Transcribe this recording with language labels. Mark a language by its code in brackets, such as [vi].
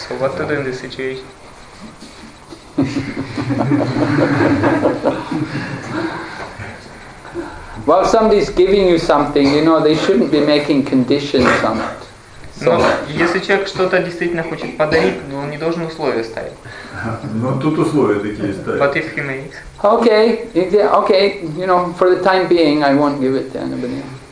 [en] So what to do in this situation? Well, if somebody's giving you something, you know, they shouldn't be making conditions on it. [ru] Но если человек что-то действительно хочет подарить, то он не должен условия ставить. Ну, тут условия такие ставят. [en] But if he makes... Okay, you know, for the time being, I won't give it to anybody.